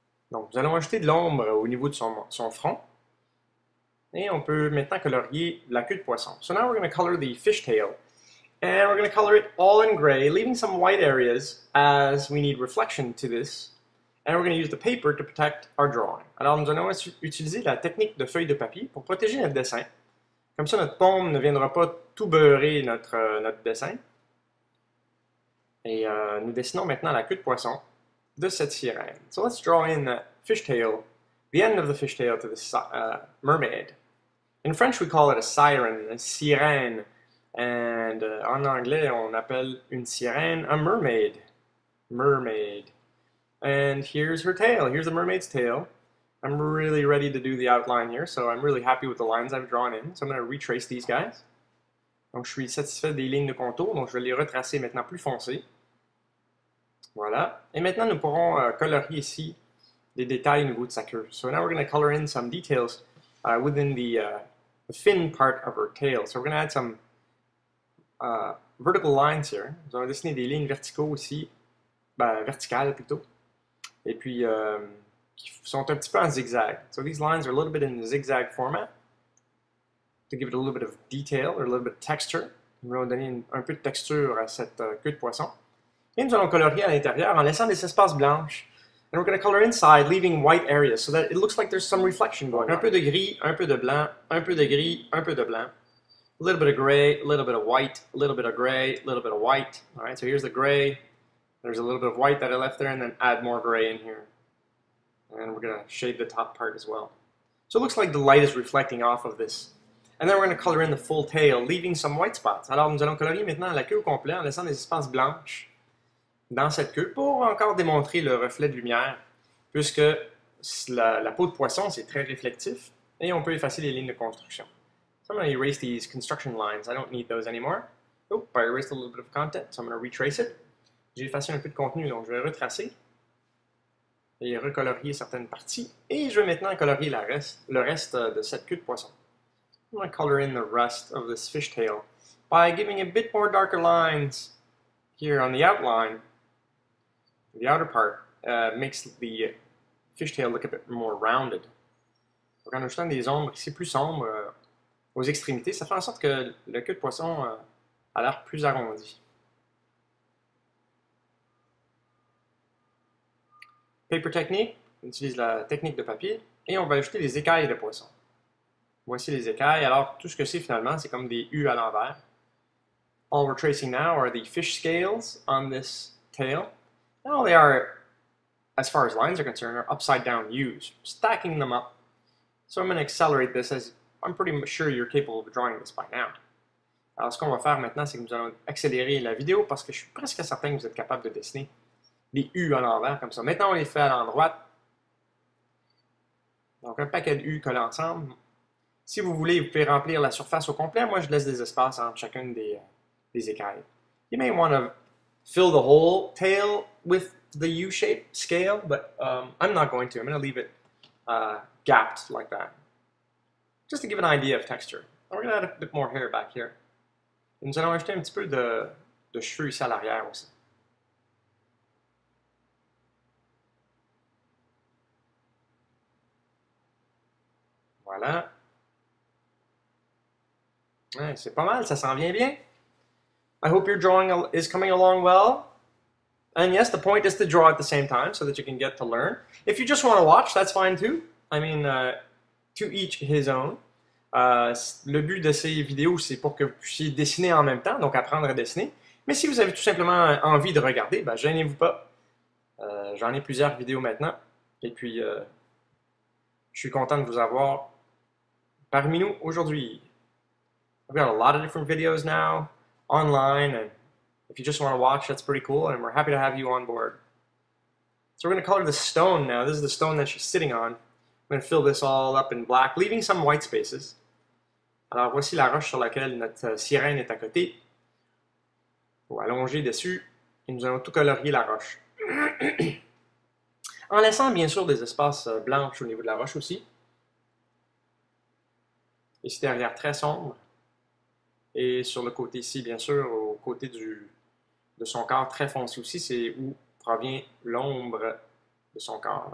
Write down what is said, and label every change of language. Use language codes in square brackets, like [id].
[fr] Donc, nous allons ajouter de l'ombre au niveau de son front. Et on peut maintenant colorier la queue de poisson. [en] So now we're going to color the fishtail. And we're going to color it all in gray, leaving some white areas as we need reflection to this. And we're going to use the paper to protect our drawing. [fr] Alors, nous allons utiliser la technique de feuille de papier pour protéger notre dessin. Comme ça, notre pomme ne viendra pas tout beurrer notre dessin. Et nous dessinons maintenant la queue de poisson de cette sirène. [en] So let's draw in the fishtail, the end of the fishtail to the mermaid. In French, we call it a siren, a sirène. And [fr] en anglais, on appelle une sirène [en] a mermaid. Mermaid. And here's her tail. Here's the mermaid's tail. I'm really ready to do the outline here, so I'm really happy with the lines I've drawn in. So I'm going to retrace these guys. [fr] Donc, je suis satisfait des lignes de contour, donc je vais les retracer maintenant plus foncées. Voilà. Et maintenant, nous pourrons colorier ici les détails au niveau de sa queue. [en] So now we're going to color in some details within the fin part of her tail. So we're going to add some vertical lines here. [fr] Nous allons dessiner des lignes verticaux aussi, verticales plutôt. Et puis, qui sont un petit peu en zigzag. [en] So these lines are a little bit in the zigzag format. To give it a little bit of detail, or a little bit of texture. [fr] Nous allons donner un peu de texture à cette queue de poisson. Et nous allons colorier à l'intérieur en laissant des espaces blanches. [en] And we're going to color inside, leaving white areas, so that it looks like there's some reflection going on. [fr] Un peu de gris, un peu de blanc, un peu de gris, un peu de blanc. [en] A little bit of gray, a little bit of white, a little bit of gray, a little bit of white. All right, so here's the gray. There's a little bit of white that I left there, and then add more gray in here. And we're going to shade the top part as well. So it looks like the light is reflecting off of this. And then we're going to color in the full tail, leaving some white spots. [fr] Alors, nous allons colorier maintenant la queue au complet en laissant des espaces blanches dans cette queue pour encore démontrer le reflet de lumière, puisque la peau de poisson, c'est très réflectif, et on peut effacer les lignes de construction. [en] So I'm going to erase these construction lines. I don't need those anymore. Oh, I erased a little bit of content, so I'm going to retrace it. [fr] J'ai effacé un peu de contenu, donc je vais retracer et recolorier certaines parties. Et je vais maintenant colorier le reste de cette queue de poisson. [en] I'm going to color in the rest of this fishtail by giving a bit more darker lines here on the outline. The outer part makes the fishtail look a bit more rounded. We're going to [fr] ajouter des ombres ici plus sombres aux extrémités. Ça fait en sorte que le queue de poisson a l'air plus arrondi. [en] Paper technique. [fr] On utilise la technique de papier. Et on va ajouter des écailles de poisson. Voici les écailles. Alors, tout ce que c'est finalement, c'est comme des U à l'envers. [en] All we're tracing now are the fish scales on this tail. And all they are, as far as lines are concerned, are upside down U's. Stacking them up. So I'm going to accelerate this as I'm pretty sure you're capable of drawing this by now. [fr] Alors, ce qu'on va faire maintenant, c'est que nous allons accélérer la vidéo parce que je suis presque certain que vous êtes capable de dessiner des U à l'envers comme ça. Maintenant, on les fait à l'endroit. Donc, un paquet de U collés ensemble. Si vous voulez, vous pouvez remplir la surface au complet. Moi, je laisse des espaces entre chacune des écailles. [en] You may want to fill the whole tail with the U-shape scale, but I'm not going to. I'm going to leave it gapped like that. Just to give an idea of texture. And we're going to add a bit more hair back here. [fr] Et nous allons ajouter un petit peu de cheveux ici à l'arrière aussi. Voilà. Ouais, c'est pas mal, ça s'en vient bien. [en] I hope your drawing is coming along well. And yes, the point is to draw at the same time so that you can get to learn. If you just want to watch, that's fine too. I mean, to each his own. [fr] Le but de ces vidéos, c'est pour que vous puissiez dessiner en même temps, donc apprendre à dessiner. Mais si vous avez tout simplement envie de regarder, ben, gênez-vous pas. J'en ai plusieurs vidéos maintenant. Et puis, je suis content de vous avoir parmi nous aujourd'hui. [en] We've got a lot of different videos now, online, and if you just want to watch, that's pretty cool, and we're happy to have you on board. So we're going to color the stone now. This is the stone that she's sitting on. I'm going to fill this all up in black, leaving some white spaces. [fr] Alors voici la roche sur laquelle notre sirène est à côté. On va allonger dessus, et nous allons tout colorier la roche. En laissant, bien sûr, des espaces blanches au niveau de la roche aussi. Ici, derrière, très sombre. Et sur le côté ici, bien sûr, au côté de son corps très foncé aussi, c'est où provient l'ombre de son corps.